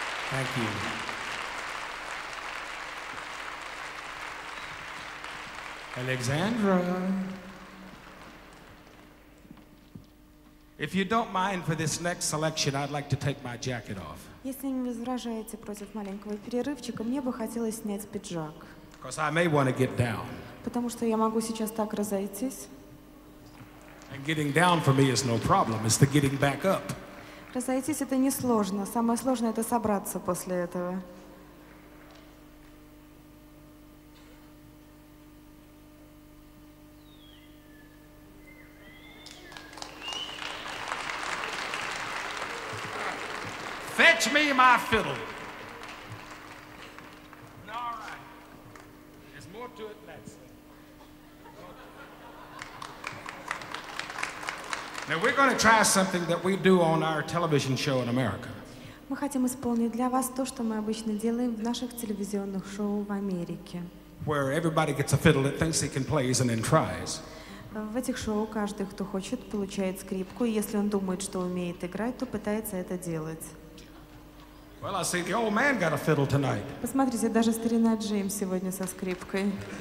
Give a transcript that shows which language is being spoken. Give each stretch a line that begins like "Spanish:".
English: Thank you. Alexandra. If you don't mind, for this next selection, I'd like to take my jacket off.
Russian: Если не возражаете против маленького перерывчика, мне бы хотелось снять пиджак.
English: Because I may want to get down.
Russian: Потому что я могу сейчас так разойтись.
English: And getting down for me is no problem. It's the getting back up.
Russian: Разойтись это несложно. Самое сложное это собраться после этого.
English: Fetch me my fiddle. And we're going to try something that we do on our television show in America.
Russian: Мы хотим исполнить для вас то, что мы обычно делаем в наших телевизионных шоу в Америке.
English: Where everybody gets a fiddle that thinks he can play and then tries.
Russian: В этих шоу каждый, кто хочет, получает скрипку, и если он думает, что умеет играть, то пытается это делать.
English: Well, I see the old man got a fiddle tonight.
Russian: Посмотрите, даже старина Джим сегодня со скрипкой.